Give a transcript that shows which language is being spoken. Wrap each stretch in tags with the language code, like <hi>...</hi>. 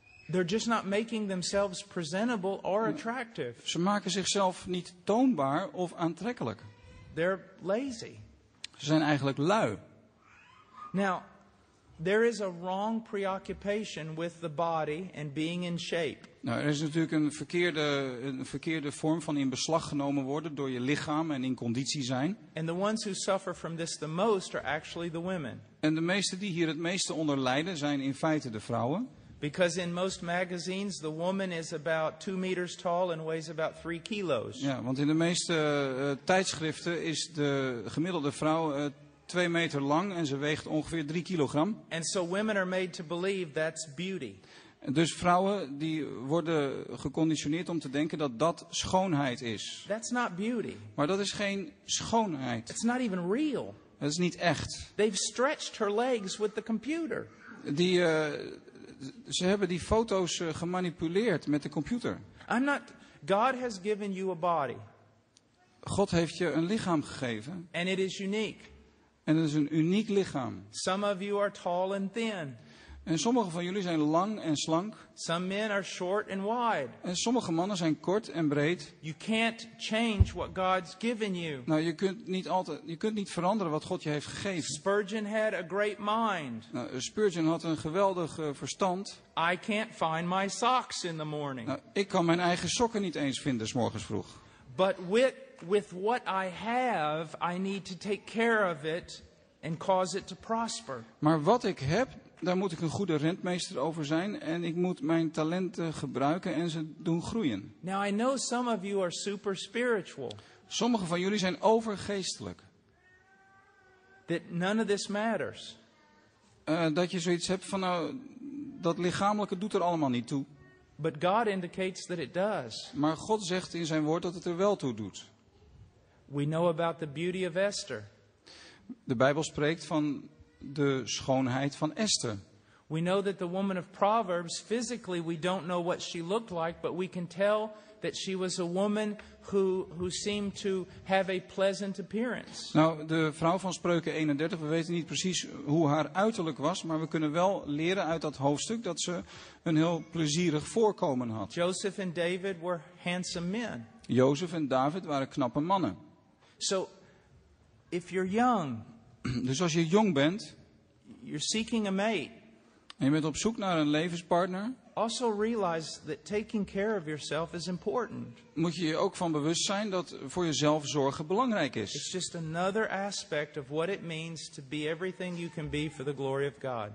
<en>They're just not making themselves presentable or attractive.</en> <nl>Ze maken zichzelf niet toonbaar of aantrekkelijk.</nl> <en>They're lazy.</en> <nl>Ze zijn eigenlijk lui.</nl> <en>Now, there is a wrong preoccupation with the body and being in shape.</en> <nl>Nou, er is natuurlijk een verkeerde vorm van in beslag genomen worden door je lichaam en in conditie zijn.</nl> <en>And the ones who suffer from this the most are actually the women.</en> <nl>En de meesten die hier het meeste onder lijden zijn in feite de vrouwen.</nl> <en>Because in most magazines the woman is about 2 meters tall and weighs about 3 kilos.</en> <nl>Ja, want in de meeste tijdschriften is de gemiddelde vrouw 2 meter lang en ze weegt ongeveer 3 kilogram.</nl> <en>And so women are made to believe that's beauty.</en> <nl>Dus vrouwen die worden geconditioneerd om te denken dat dat schoonheid is.</nl> <en>That's not beauty.</en> <nl>Maar dat is geen schoonheid.</nl> <en>It's not even real.</en> <nl>Dat is niet echt.</nl> <en>They've stretched her legs with the computer.</en> <nl>Ze hebben die foto's gemanipuleerd met de computer.</nl> <en>I'm not, God has given you a body.</en> <nl>God heeft je een lichaam gegeven.</nl> <en>And it is unique.</en> <nl>En het is een uniek lichaam.</nl> <en>Some of you are tall and thin.</en> <nl>En sommige van jullie zijn lang en slank.</nl> <en>Some men are short and wide.</en> <nl>En sommige mannen zijn kort en breed.</nl> <en>You can't change what God's given you.</en> <nl>Nou, je kunt niet veranderen wat God je heeft gegeven.</nl> <en>Spurgeon had a great mind.</en> <nl>Nou, Spurgeon had een geweldig verstand.</nl> <en>I can't find my socks in the morning.</en> <nl>Nou, ik kan mijn eigen sokken niet eens vinden 's morgens vroeg.</nl> <en>But with what I have, I need to take care of it and cause it to prosper.</en> <nl>Maar wat ik heb, daar moet ik een goede rentmeester over zijn en ik moet mijn talenten gebruiken en ze doen groeien.</nl> <en>Now I know some of you are super spiritual.</en> <nl>Sommige van jullie zijn overgeestelijk.</nl> <en>That none of this matters.</en> <nl>Dat je zoiets hebt van nou, dat lichamelijke doet er allemaal niet toe.</nl> <en>But God indicates that it does.</en> <nl>Maar God zegt in zijn woord dat het er wel toe doet.</nl> <en>We know about the beauty of Esther.</en> <nl>De Bijbel spreekt van de schoonheid van Esther.</nl> <en>We know that the woman of Proverbs physically we don't know what she looked like, but we can tell that she was a woman who seemed to have a pleasant appearance.</en> <nl>Nou, de vrouw van Spreuken 31, we weten niet precies hoe haar uiterlijk was, maar we kunnen wel leren uit dat hoofdstuk dat ze een heel plezierig voorkomen had.</nl> <en>Joseph and David were handsome men.</en> <nl>Jozef en David waren knappe mannen.</nl> <en>So if you're young,</en> <nl>dus als je jong bent,</nl> <en>you're seeking a mate.</en> <nl>En je bent op zoek naar een levenspartner.</nl> <en>Also realize that taking care of yourself is important.</en> <nl>Moet je je ook van bewust zijn dat voor jezelf zorgen belangrijk is.</nl> <en>It's just another aspect of what it means to be everything you can be for the glory of God.</en>